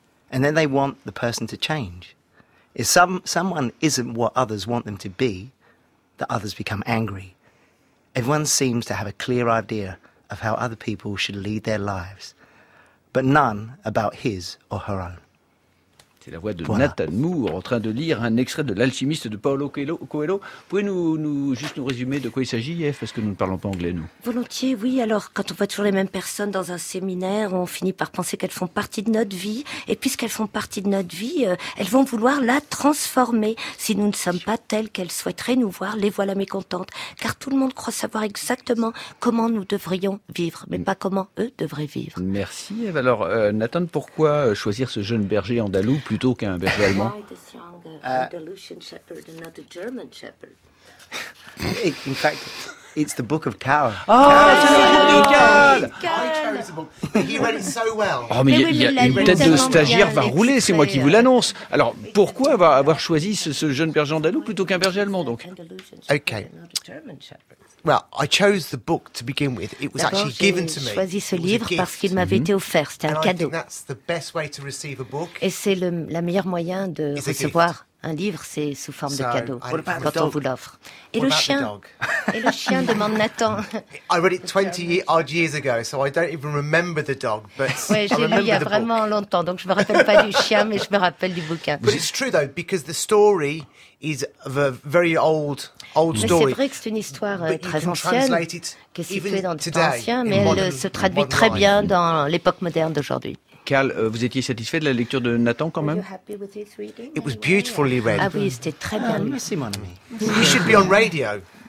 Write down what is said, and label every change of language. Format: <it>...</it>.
<en>And then they want the person to change. If someone isn't what others want them to be, the others become angry. Everyone seems to have a clear idea of how other people should lead their lives, but none about his or her own.</en> <fr>C'est la voix de Nathan Moore en train de lire un extrait de L'Alchimiste de Paulo Coelho. Pouvez-vous nous résumer de quoi il s'agit, Yves, parce que nous ne parlons pas anglais, nous? Volontiers, oui. Alors, quand on voit toujours les mêmes personnes dans un séminaire, on finit par penser qu'elles font partie de notre vie. Et puisqu'elles font partie de notre vie, elles vont vouloir la transformer. Si nous ne sommes pas telles qu'elles souhaiteraient nous voir, les voilà mécontentes. Car tout le monde croit savoir exactement comment nous devrions vivre, mais pas comment eux devraient vivre. Merci, Yves. Alors, Nathan, pourquoi choisir ce jeune berger andalou plutôt qu'un berger allemand?</fr> <en>Why this young Andalusian shepherd and not a German shepherd? In fact, it's the Book of Cal.</en> <fr>Oh, mais il y a une tête de stagiaire va rouler, c'est moi qui vous l'annonce. Alors, pourquoi avoir choisi ce jeune berger andalou plutôt qu'un berger allemand, donc? Ok.</fr> <en>Well, I chose the book to begin with. It was</en> <fr>d'abord,</fr> <en>actually given to me.</en> <fr>J'ai choisi ce livre parce qu'il m'avait été offert. C'était un</fr> <en>and</en> <fr>cadeau.</fr> <en>That's the best way to receive a book.</en> <fr>Et c'est le meilleur moyen de recevoir Un livre, c'est sous forme de cadeau, quand on vous l'offre. Et le chien? Et le chien, demande Nathan.</fr> <en>I read it 20 odd years ago, so I don't even remember the dog.</en> <fr>Oui, j'ai lu il y a vraiment longtemps, donc je ne me rappelle pas du chien, mais je me rappelle du bouquin.</fr> <en>But it's true though, because the story is a very old, old story.</en> <fr>Mais c'est vrai que c'est une histoire très ancienne, qui est située dans le temps ancien, mais elle se traduit très bien dans l'époque moderne d'aujourd'hui. Carl, vous étiez satisfait de la lecture de Nathan quand même?</fr> <en>It was beautifully read.</en> <fr>Ah oui, c'était très bien.</fr> <en>Oh,</en> <fr>merci, mon ami.</fr> <en>You should be on radio.</en>